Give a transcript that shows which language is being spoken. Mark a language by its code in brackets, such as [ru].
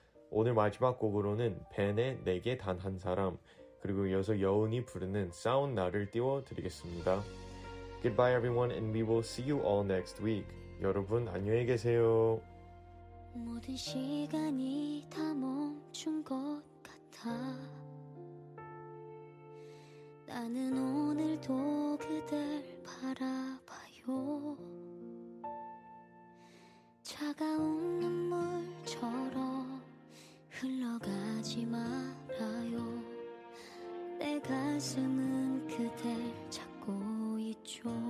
[ko] 오늘 마지막 곡으로는 벤의 내게 단 한 사람, 그리고 이어서 여운이 부르는 싸운 나를 띄워드리겠습니다. [en] Goodbye everyone and we will see you all next week. [ko] 여러분 안녕히 계세요. 모든 시간이 다 멈춘 것 같아 나는 오늘도 그댈 바라봐요 차가운 눈물처럼 흘러가지 말아요 내 가슴은 그댈 찾고 있죠